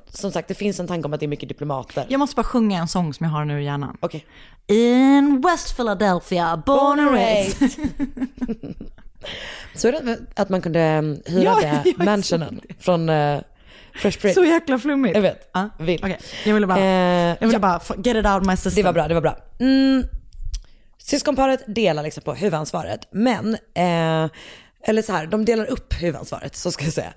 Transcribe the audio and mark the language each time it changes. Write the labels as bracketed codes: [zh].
[sv] Som sagt, det finns en tanke om att det är mycket diplomater. Jag måste bara sjunga en sång som jag har nu i hjärnan. [en] Okay. In West Philadelphia, born and raised. [sv] Så är det att man kunde hyra det mansionen från Fresh Prince. Så jäkla flummigt. Jag vet. [en] Okay. [sv] Jag ville bara [en] get it out of my system. [sv] Det var bra. Mm. Syskonparet delar liksom på huvudansvaret, men eller så här, de delar upp huvudansvaret, så ska jag säga.